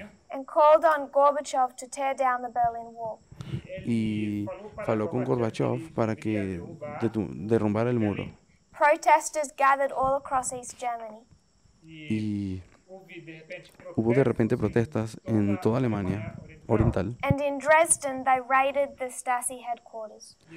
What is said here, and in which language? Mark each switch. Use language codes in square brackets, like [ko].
[en] And called on Gorbachev to tear down the Berlin Wall. [es] Y faló con Gorbachev para que derrumbara el muro. [en] Protesters gathered all across East Germany. [es] Y hubo de repente protestas en toda Alemania Oriental. [en] And in Dresden, they raided the Stasi headquarters.